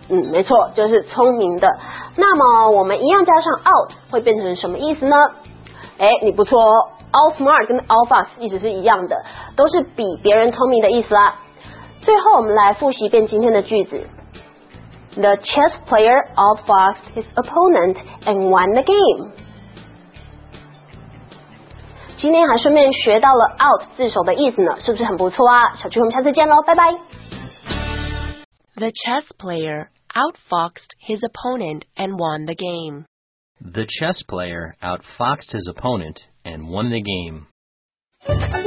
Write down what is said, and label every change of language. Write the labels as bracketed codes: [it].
[zh] 没错，就是聪明的。那么我们一样加上 out 会变成什么意思呢？你不错哦， outsmart 跟 outfox 意思是一样的，都是比别人聪明的意思啦。最后我们来复习一遍今天的句子。 [en] The chess player outfoxed his opponent and won the game. [zh] 今天还顺便学到了 out 字首的意思呢，是不是很不错啊？小聚我们下次见咯，拜拜。 [en] The chess player outfoxed his opponent and won the game. The chess player outfoxed his opponent and won the game.